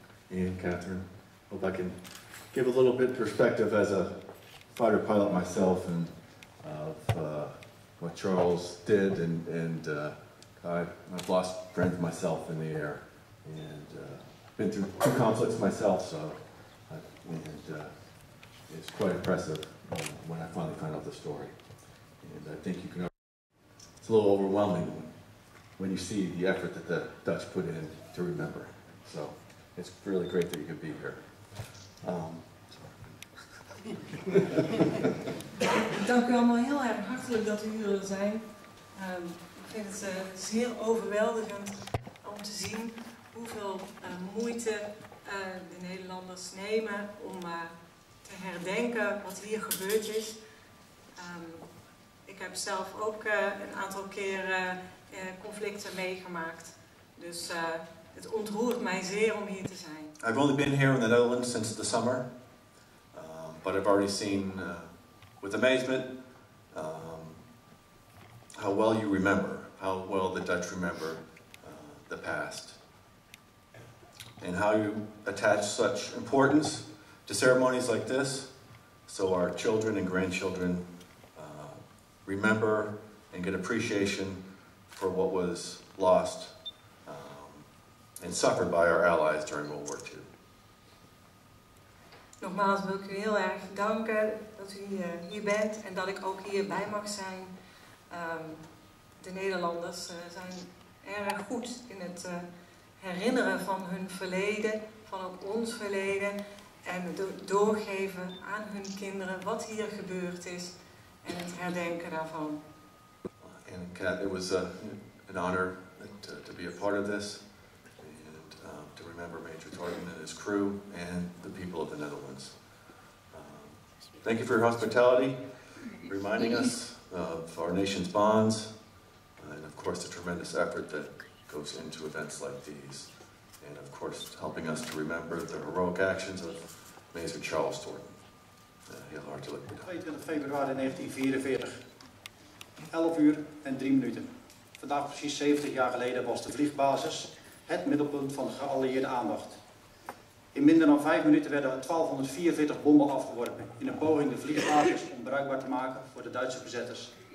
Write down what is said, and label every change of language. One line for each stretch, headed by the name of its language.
English: And Catherine, hope I can give a little bit perspective as a fighter pilot myself and of what Charles did and I've lost friends myself in the air, and been through 2 conflicts myself, so it's quite impressive when I finally find out the story. And I think you can. It's a little overwhelming when you see the effort that the Dutch put in to remember. So it's really great that you could be here.
Dutch: Dank u allemaal heel erg hartelijk dat u hier zijn. Ik vind het zeer overweldigend om te zien hoeveel moeite de Nederlanders nemen om te herdenken wat hier gebeurd is. Ik heb zelf ook een aantal keren conflicten meegemaakt. Dus het ontroert mij zeer om hier te zijn.
English: I've only been here in the Netherlands since the summer. But I've already seen with amazement how well you remember, how well the Dutch remember the past, and how you attach such importance to ceremonies like this, so our children and grandchildren remember and get appreciation for what was lost and suffered by our allies during World War II.
Dutch: Nogmaals wil ik u heel erg danken dat u hier bent en dat ik ook hierbij mag zijn. De Nederlanders zijn erg goed in het herinneren van hun verleden, van ook ons verleden. En doorgeven aan hun kinderen wat hier gebeurd is en het herdenken daarvan. En Kat, het was een
English: honor to be a part of this. To remember Major Thornton and his crew and the people of the Netherlands. Thank you for your hospitality, reminding us of our nation's bonds, and of course the tremendous effort that goes into events like these, and of course helping us to remember the heroic actions of Major Charles Thornton.
Dutch: Heel hartelijk bedankt. 22 februari 1944, 11 uur en 3 minuten. Vandaag precies 70 jaar geleden was de vliegbasis het middelpunt van de geallieerde aandacht. In minder dan 5 minuten werden 1244 bommen afgeworpen in een poging de vliegbasis onbruikbaar te maken voor de Duitse bezetters.